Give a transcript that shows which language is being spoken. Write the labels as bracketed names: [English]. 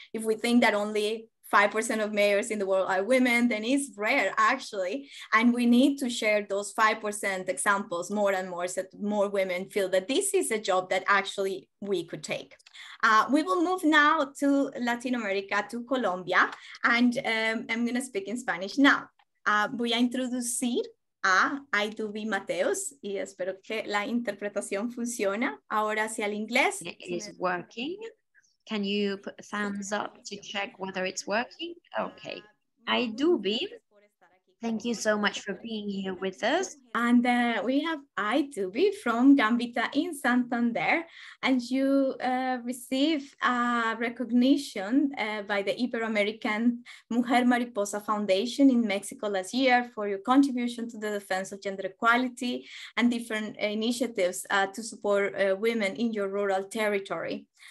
[English] If we think that only 5% of mayors in the world are women, then it's rare actually. And we need to share those 5% examples more and more so that more women feel that this is a job that actually we could take. We will move now to Latin America, to Colombia, and I'm gonna speak in Spanish now. [Spanish] Voy a introducir a Aidubi Mateos, y espero que la interpretación funcione. Ahora hacia el inglés. [English] It is working. Can you put the thumbs up to check whether it's working? Okay. Aidubi, thank you so much for being here with us. And we have Aidubi from Gambita in Santander, and you receive recognition by the Ibero-American Mujer Mariposa Foundation in Mexico last year for your contribution to the defense of gender equality and different initiatives to support women in your rural territory.